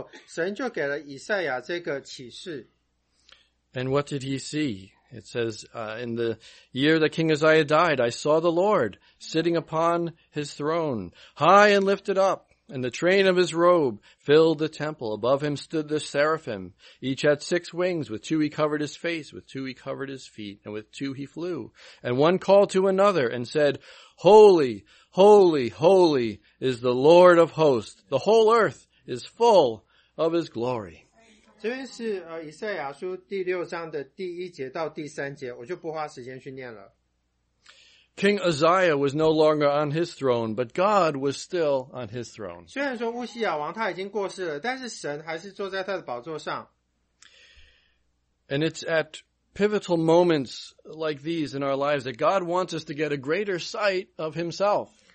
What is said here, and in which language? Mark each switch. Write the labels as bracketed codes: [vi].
[zh] 但是也就是在那个时候，当乌西亚王过世的时候，神就给了以赛亚这个启示。 [en] And what did he see? It says, in the year that King Uzziah died, I saw the Lord sitting upon his throne, high and lifted up. And the train of his robe filled the temple. Above him stood the seraphim. Each had six wings. With two he covered his face. With two he covered his feet. And with two he flew. And one called to another and said, Holy, holy, holy is the Lord of hosts. The whole earth is full of his glory. [zh] 这边是以赛亚书第六章的第一节到第三节，我就不花时间去念了。 [en] King Uzziah was no longer on his throne, but God was still on his throne. [zh] 虽然说乌西亚王他已经过世了，但是神还是坐在他的宝座上。 [en] And it's at pivotal moments like these in our lives that God wants us to get a greater sight of himself.